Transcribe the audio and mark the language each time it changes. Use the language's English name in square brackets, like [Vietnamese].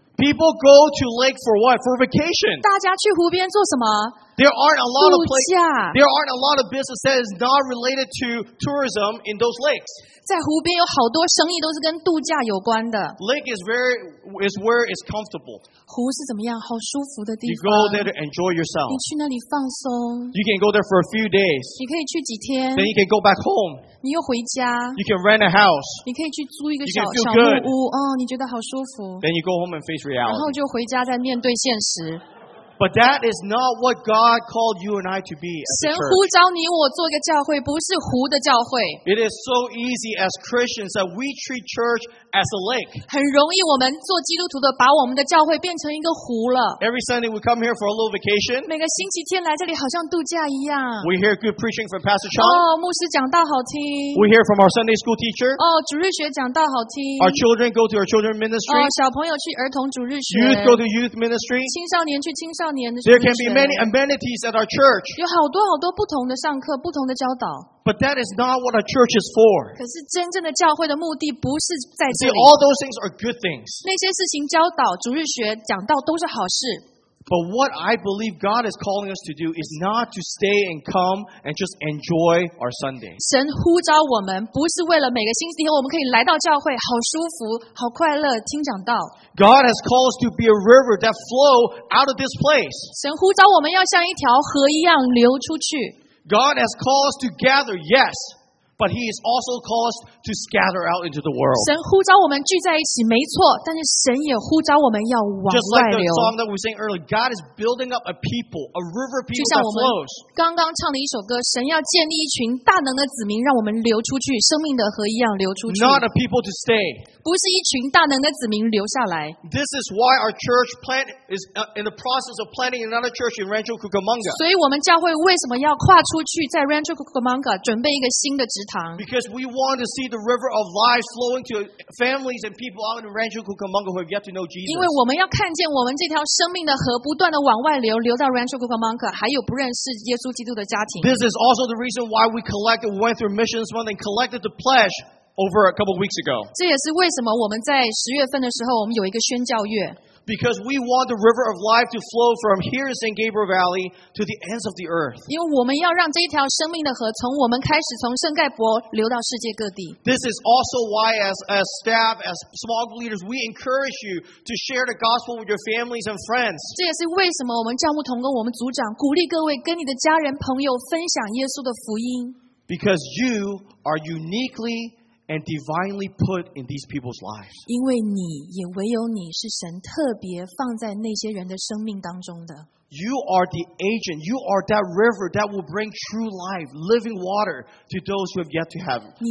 [English] People go to lake for what? For vacation. [Chinese] 大家去湖边做什么？ [English] There aren't a lot of business that is not related to tourism in those lakes. [Chinese] 在湖边有好多生意都是跟度假有关的。 [English] Lake is very is where it's comfortable. [Chinese] 湖是怎么样？好舒服的地方。 [English] You go there to enjoy yourself. [Chinese] 你去那里放松。 [English] You can go there for a few days. [Chinese] 你可以去几天。 [English] Then you can go back home. [Chinese] 你又回家。 [English] You can rent a house. [Chinese] 你可以去租一个小木屋。哦，你觉得好舒服。 [English] Then you go home and face reality. [Chinese] 然后就回家再面对现实。 [English] But that is not what God called you and I to be. [Chinese] 神呼召你我做一个教会，不是湖的教会。 [English] It is so easy as Christians that we treat church as a lake. [Chinese] 很容易我们做基督徒的把我们的教会变成一个湖了。 [English] Every Sunday we come here for a little vacation. [Chinese] 每个星期天来这里好像度假一样。 [English] We hear good preaching from Pastor Chong. [Chinese] 哦，牧师讲道好听。 [English] We hear from our Sunday school teacher. [Chinese] 哦，主日学讲道好听。 [English] Our children go to our children ministry. [Chinese] 哦，小朋友去儿童主日学。 [English] Youth go to youth ministry. [Chinese] 青少年去青少年。 [English] There can be many amenities at our church. [Chinese] 有好多好多不同的上课，不同的教导。 [English] But that is not what our church is for. [Chinese] 可是真正的教会的目的不是在这里。 [English] See, all those things are good things. [Chinese] 那些事情教导、主日学、讲道都是好事。 [English] But what I believe God is calling us to do is not to stay and come and just enjoy our Sunday. [Chinese] 神呼召我们不是为了每个星期天我们可以来到教会好舒服好快乐听讲道。 [English] God has called us to be a river that flow out of this place. [Chinese] 神呼召我们要像一条河一样流出去。 [English] God has called us to gather, yes. But he is also called to scatter out into the world. [Chinese] 神呼召我们聚在一起，没错。但是神也呼召我们要往外流。 [English] Just like the song that we sang earlier, God is building up a people, a river people that flows. [Chinese] 就像我们刚刚唱的一首歌，神要建立一群大能的子民，让我们流出去，生命的河一样流出去。 [English] Not a people to stay. [Chinese] 不是一群大能的子民留下来。 [English] This is why our church plant is in the process of planting another church in Rancho Cucamonga. [Chinese] 所以我们教会为什么要跨出去，在 Rancho Cucamonga 准备一个新的职堂？ [English] Because we want to see the river of life flowing to families and people out in Rancho Cucamonga who have yet to know Jesus. [Chinese] 因为我们要看见我们这条生命的河不断的往外流，流到 Rancho Cucamonga， 还有不认识耶稣基督的家庭。 [English] This is also the reason why we collected, went through missions month and collected the pledge over a couple weeks ago. [Chinese] 这也是为什么我们在十月份的时候，我们有一个宣教月。 [English] Because we want the river of life to flow from here in San Gabriel Valley to the ends of the earth. [Chinese] 因为我们要让这条生命的河从我们开始，从圣盖博流到世界各地。 [English] This is also why, as staff, as small group leaders, we encourage you to share the gospel with your families and friends. [Chinese] 这也是为什么我们教牧同工、我们组长鼓励各位跟你的家人朋友分享耶稣的福音。 [English] Because you are uniquely and divinely put in these people's lives. [Chinese] 因为你也唯有你是神特别放在那些人的生命当中的。 [English] You are the agent. You are that river that will bring true life, living water to those who have yet to have abundant life in Jesus.